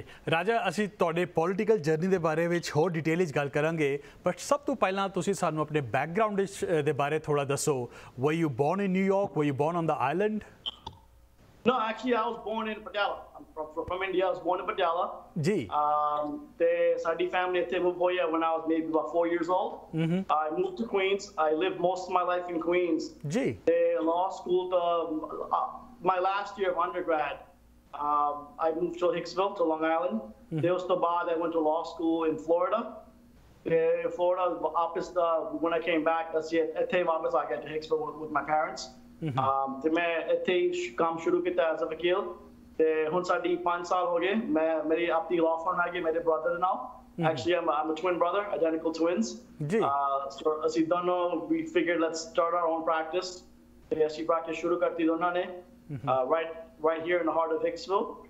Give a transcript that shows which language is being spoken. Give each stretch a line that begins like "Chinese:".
Punjabi: ਰਾਜਾ, ਅਸੀਂ ਤੁਹਾਡੇ ਪੋਲੀਟੀਕਲ ਜਰਨੀ ਦੇ ਬਾਰੇ ਵਿੱਚ ਹੋਰ ਡਿਟੇਲ ਵਿੱਚ ਗੱਲ ਕਰਾਂਗੇ, ਬਟ ਸਭ ਤੋਂ ਪਹਿਲਾਂ ਤੁਸੀਂ ਸਾਨੂੰ ਆਪਣੇ ਬੈਕਗਰਾਊਂਡ ਦੇ ਬਾਰੇ ਥੋੜ੍ਹਾ ਦੱਸੋ।
English: Were you born in New York? Were you born on the island? No, actually, I was born in Patiala. I'm from India. I was born in Patiala.
Punjabi: Ji.
English: Saadi family itthe move hoya when I was maybe about 4 years old. I moved to Queens. I lived most of my life in Queens.
Punjabi: Ji.
English: Law school, my last year of undergrad, I moved to Hicksville, to Long Island. There was the bar that I went to law school in Florida. Florida, opposite, when I came back, I got to Hicksville with my parents.
Punjabi: ਤੇ ਮੈਂ ਇੱਥੇ ਹੀ ਕੰਮ ਸ਼ੁਰੂ ਕੀਤਾ as a ਵਕੀਲ, ਤੇ ਹੁਣ ਸਾਡੀ 5 ਸਾਲ ਹੋ ਗਏ। ਮੈਂ ਮੇਰੀ ਆਪਣੀ ਲਾਅ ਫਰਮ ਆ ਗਈ ਮੇਰੇ ਬ੍ਰਦਰ ਨਾਲ। ਐਕਚੁਅਲੀ ਆਮ ਅ ਟਵਿਨ ਬ੍ਰਦਰ, ਆਈਡੈਂਟੀਕਲ ਟਵਿਨਸ। ਅਸੀਂ ਦੋਨੋਂ ਵੀ figure let's start R on practice, ਤੇ ਅਸੀਂ ਪ੍ਰੈਕਟਿਸ ਸ਼ੁਰੂ ਕਰਤੀ ਦੋਨਾਂ ਨੇ, right hair in the heart of ਹਿਕਸਵਿਲ।